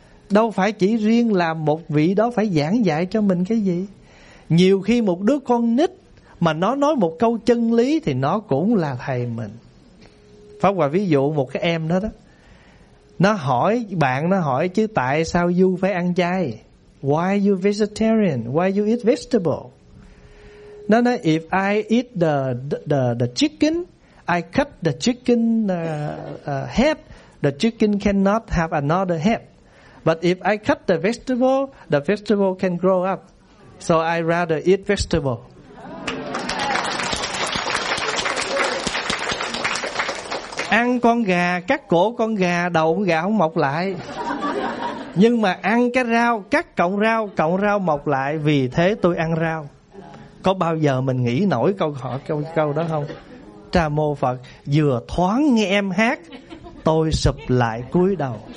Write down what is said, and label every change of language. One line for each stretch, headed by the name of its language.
Vietnamese: Đâu phải chỉ riêng là một vị đó phải giảng dạy cho mình cái gì. Nhiều khi một đứa con nít mà nó nói một câu chân lý thì nó cũng là thầy mình. Pháp Hòa ví dụ một cái em đó đó, nó hỏi bạn, nó hỏi chứ tại sao you phải ăn chay?
English: Why you vegetarian? Why you eat vegetable?
Vietnamese: Nó nói
English: if I eat the chicken, I cut the chicken head, the chicken cannot have another head. But if I cut the vegetable can grow up. So I rather eat vegetable.
Vietnamese: Ăn con gà, cắt cổ con gà, đầu con gà không mọc lại. Nhưng mà ăn cái rau, cắt cọng rau mọc lại, vì thế tôi ăn rau. Có bao giờ mình nghĩ nổi câu đó không? Trà mô Phật, vừa thoáng nghe em hát, tôi sụp lại cúi đầu.